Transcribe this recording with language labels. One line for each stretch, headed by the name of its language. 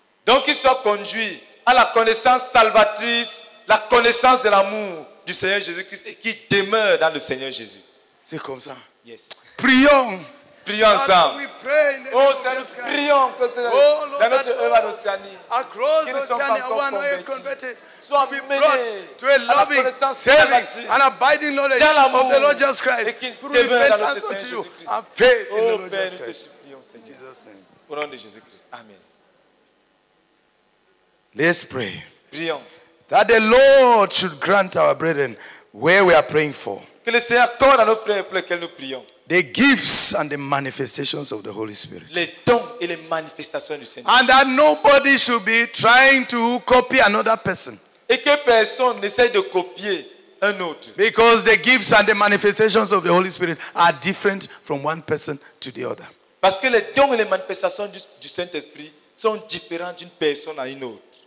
French: Donc qu'il soit conduit à la connaissance salvatrice, la connaissance de l'amour du Seigneur Jésus-Christ et qui demeure dans le Seigneur Jésus. C'est comme ça.
English: Yes.
French: Prions. Prions ensemble.
English: We pray in the
French: Oh, Seigneur, prions que cela dans notre œuvre en Océanie. Qui ne sont pas encore convertis. Soit
English: to a loving, saving, and abiding knowledge of the Lord Jesus Christ through repentance unto you and faith in the Lord Jesus Christ. In Jesus' name.
French: Au nom de Jésus Christ.
English: Amen. Let's pray.
French: Prions.
English: That the Lord should grant our brethren where we are praying for.
French: Que le Seigneur accorde à nos frères pour lesquels nous prions.
English: The gifts and the manifestations of the Holy Spirit.
French: Les dons et les manifestations du Seigneur.
English: And that nobody should be trying to copy another person.
French: Et que personne n'essaie de copier un autre.
English: Because the gifts and the manifestations of the Holy Spirit are different from one person to the other.
French: Parce que les dons et les manifestations du Saint-Esprit sont différents d'une personne à une autre.